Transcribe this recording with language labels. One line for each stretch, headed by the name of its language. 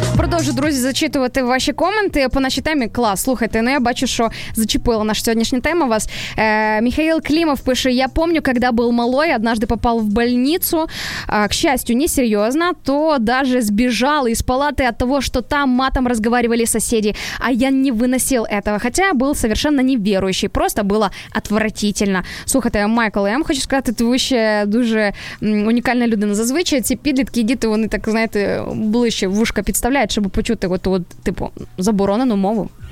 Ukrainian: Тож, друзі, зачитувати ваші коменти по нашій темі. Клас, слухайте, ну я бачу, що зачепила наша сьогоднішня тема вас.
Russian: Михаил Климов пише: «Я помню, когда был малой, однажды попал в больницу. К счастью, не серьезно, то даже сбежал из палаты от того, что там матом разговаривали соседи. А я не выносил этого, хотя был совершенно неверующий. Просто было отвратительно».
Ukrainian: Слухайте, Майкл, я вам хочу сказати, ви ще дуже унікальна людина. Зазвичай ці підлітки і діти, вони так, знаєте, ближче вушка підставляють, щоб почути оту, типу, заборонену мову.